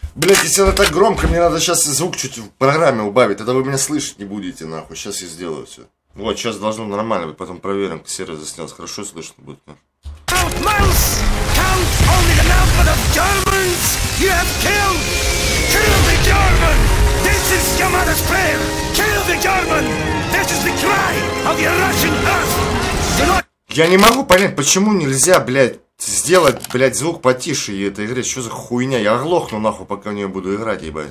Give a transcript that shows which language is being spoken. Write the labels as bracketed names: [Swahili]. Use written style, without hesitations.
[Russian] Блять, если она так громко, мне надо сейчас звук чуть в программе убавить, тогда вы меня слышать не будете, нахуй. Сейчас я сделаю все. Вот, сейчас должно нормально быть, потом проверим, сервер заснялся. Хорошо слышно будет, да? [English] Count miles! Count only the number of Germans you have killed! Kill the German! This is your mother's prayer! Kill the German! This is the cry of your Russian earth! [Russian] Я не могу понять, почему нельзя, блядь, сделать, блядь, звук потише и этой игре. Что за хуйня? Я оглохну нахуй, пока в нее буду играть,